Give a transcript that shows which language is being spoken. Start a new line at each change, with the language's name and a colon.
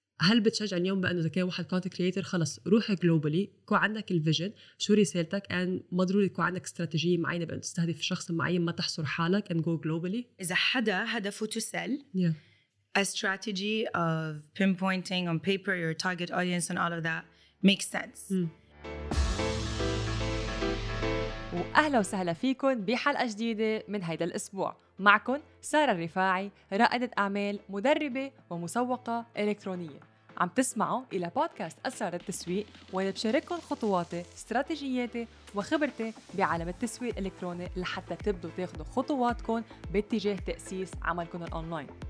Arabic: هل بتشجع اليوم بانه اذا كان واحد كونت كرييتر خلص روح جلوبالي، كو عندك الفيجن شو رسالتك، ان مضروري يكون عندك استراتيجيه معينه بانه تستهدف شخص معين، ما تحصر حالك ان
English: Go globally.
Arabic: اذا حدا هدفه
English: To sell, yeah. a strategy of pinpointing on paper your target audience and all of that makes sense.
Arabic: واهلا وسهلا فيكم بحلقه جديده من هيدا الاسبوع، معكم ساره الرفاعي، رائده اعمال، مدربه ومسوقه الكترونيه. عم تسمعوا الى بودكاست اسرار التسويق، وانا بشارككم خطواتي، استراتيجياتي وخبرتي بعالم التسويق الالكتروني لحتى تبدوا تاخذوا خطواتكم باتجاه تاسيس عملكم الاونلاين.